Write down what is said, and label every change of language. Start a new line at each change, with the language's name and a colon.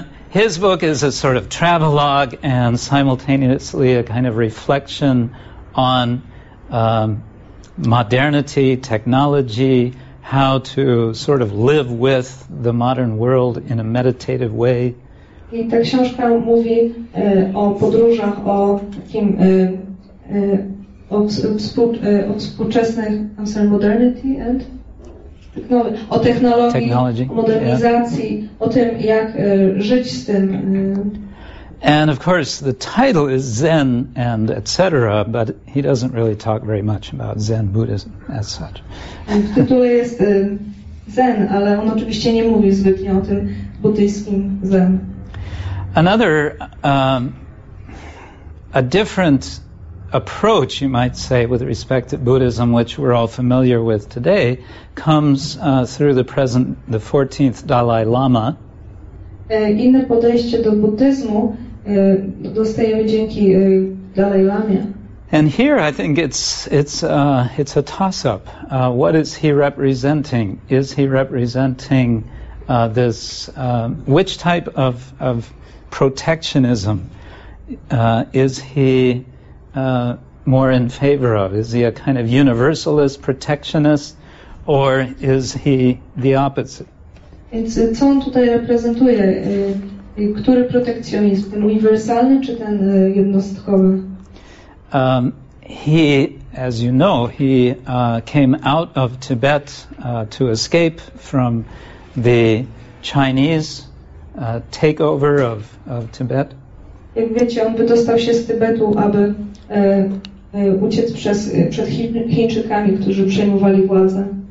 English: His book is a sort of travelogue and simultaneously a kind of reflection on modernity, technology, how to sort of live with the modern world in a meditative way.
Polish: I ta książka mówi o podróżach, o takim o współczesnych
English: modernity and
Polish: o technologii,
English: technology,
Polish: modernizacji, yeah. O tym, jak żyć z tym.
English: And of course, the title is Zen and etc., but he doesn't really talk very much about Zen Buddhism as such.
Polish: W tytule jest Zen, ale on oczywiście nie mówi zbytnio o tym buddyjskim Zen.
English: Another, a different approach, you might say, with respect to Buddhism, which we're all familiar with today, comes through the present, the 14th Dalai Lama. Inne podejście do buddyzmu dostajemy dzięki Dalai Lamie. And here, I think it's a toss-up. What is he representing? Is he representing this? Which type of protectionism is he more in favor of? Is he a kind of universalist protectionist, or is he the opposite?
Polish: It's co on tutaj reprezentuje? Który protekcjonizm? Ten uniwersalny czy ten jednostkowy?
English: He, as you know, he came out of Tibet to escape from the Chinese takeover of Tibet.
Polish: Jak wiecie, on wydostał się z Tybetu, aby uciec przed Chińczykami, którzy przejmowali władzę.